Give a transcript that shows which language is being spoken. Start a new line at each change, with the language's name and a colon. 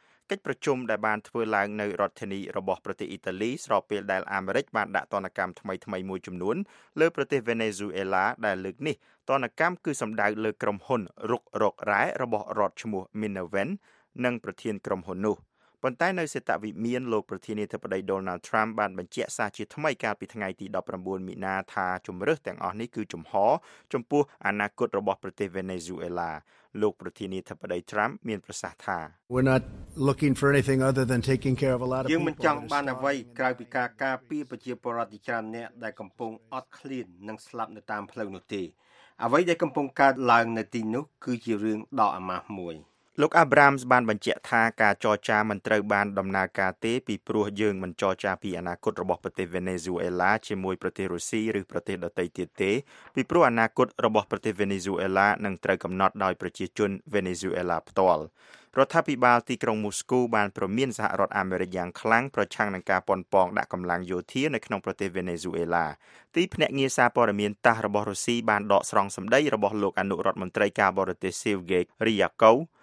Khmer: កិច្ចប្រជុំដែលបានធ្វើឡើងនៅរដ្ឋធានីរបស់ប្រទេសអ៊ីតាលីស្របពេលដែលអាមេរិកបានដាក់ទណ្ឌកម្មថ្មីៗមួយចំនួនលើប្រទេសវេណេស៊ុយអេឡាដែលលើកនេះទណ្ឌកម្មគឺសំដៅលើក្រុមហ៊ុនរុករករ៉ែរបស់រដ្ឋឈ្មោះ Minerven និងប្រធានក្រុមហ៊ុននោះប៉ុន្តែនៅសេតវិមានលោកប្រធានាធិបតី Donald Trump បានបញ្ជាក់សារជាថ្មីកាលពីថ្ងៃទី19មីនាថាជំរើសទាំងអស់នេះគឺជំហរចំពោះអនាគតរបស់ប្រទេសវេណេស៊ុយអេឡាលោកប្រធានាធិបតី Trump មានប្រសាសន៍ថា
English: We're not looking for anything other than taking care of a lot of people
Khmer: យើងមិនចង់បានអ្វីក្រៅពីការការពារប្រជាពលរដ្ឋច្រើនអ្នកដែលកំពុងអត់ឃ្លាននិងស្លាប់នៅតាមផ្លូវនោះទេអ្វីដែលកំពុងកើតឡើងនៅទីនោះគឺជារឿងដ៏អាម៉ាស់មួយ លោកអាប្រាមបានបញ្ជាក់ថាការចរចាមិនត្រូវបានដំណើរការទេពីព្រោះយើងមិនចរចាពីអនាគតរបស់ប្រទេសវេណេស៊ុយអេឡាជាមួយប្រទេសរុស្ស៊ីឬប្រទេសដទៃទៀតទេពីព្រោះអនាគតរបស់ប្រទេសវេណេស៊ុយអេឡានឹងត្រូវកំណត់ដោយប្រជាជនវេណេស៊ុយអេឡាផ្ទាល់រដ្ឋាភិបាលទីក្រុងមូស្គូបានព្រមានសហរដ្ឋអាមេរិកយ៉ាងខ្លាំងប្រឆាំងនឹងការប៉ុនប៉ងដាក់កម្លាំងយោធានៅក្នុងប្រទេសវេណេស៊ុយអេឡាទីភ្នាក់ងារសារព័ត៌មានតាស់របស់រុស្ស៊ីបានដកស្រង់សម្ដីរបស់លោកអនុរដ្ឋមន្ត្រីការបរទេសស៊ីវហ្គេរីយ៉ាកូ